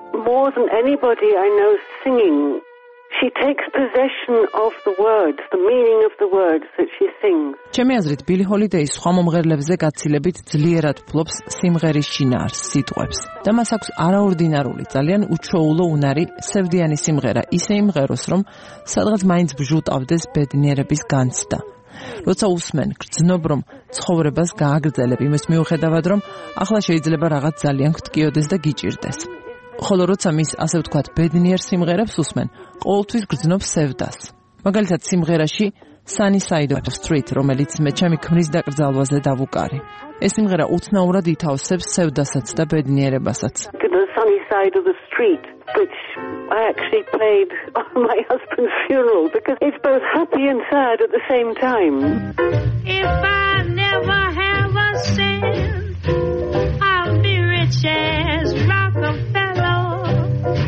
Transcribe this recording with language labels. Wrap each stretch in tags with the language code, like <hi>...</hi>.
<en>More than anybody I know singing, she takes possession of the words, the meaning of the words that she sings.</en> <ka>ჩემი აზრით, ბილი ჰოლიდეი სხვა მომღერლებზე გაცილებით ძლიერად ფლობს სიმღერის შინაარს, სიტყვებს. და მას აქვს არაორდინარული, ძალიან უჩვეულო უნარი, სევდიანი სიმღერა, ისე იმღეროს, რომ სადღაც მაინც ბჟუტავდეს ბედნიერების განცდა. როცა უსმენ, გრძნობ, რომ ცხოვრებას გააგრძელებ, იმის მიუხედავად, რომ ახლა შეიძლება რაღაც ძალიან გთკიოდეს და გიჭირდეს. ხოლო როცა მის, ასე ვთქვათ, ბედნიერ სიმღერებს უსმენ, ყოველთვის გრძნობ სევდას. მაგალითად, სიმღერაში Sunnyside of Street, რომელიც მე ჩემი ქმრის დაკრძალვაზე დავუკარი. ეს სიმღერა უცნაურად ითავსებს სევდასაც და ბედნიერებასაც.</ka> <en>Sunnyside of the Street, which I actually played on my husband's funeral because it's both happy and sad at the same time. If I never have a cent, I'll be rich as Rockefeller.</en>